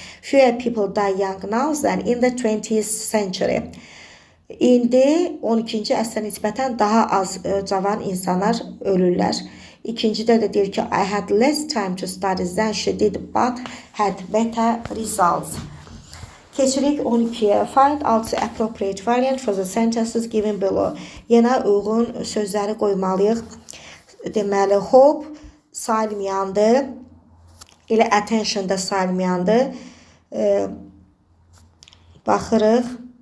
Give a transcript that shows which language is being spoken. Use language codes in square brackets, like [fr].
[en] Fewer people die young now than in the 20th century. [az] İndi 12-ci əsrə nisbətən daha az cavan insanlar ölürlər. İkincidə də deyir ki, [en] I had less time to study than she did, but had better results. [az] Keçirik 12-yə. [en] Find out the appropriate variant for the sentences given below. [az] Yenə uyğun sözləri qoymalıyıq. Deməli, hope salmayandı. Elə attention da salmayandı. Baxırıq.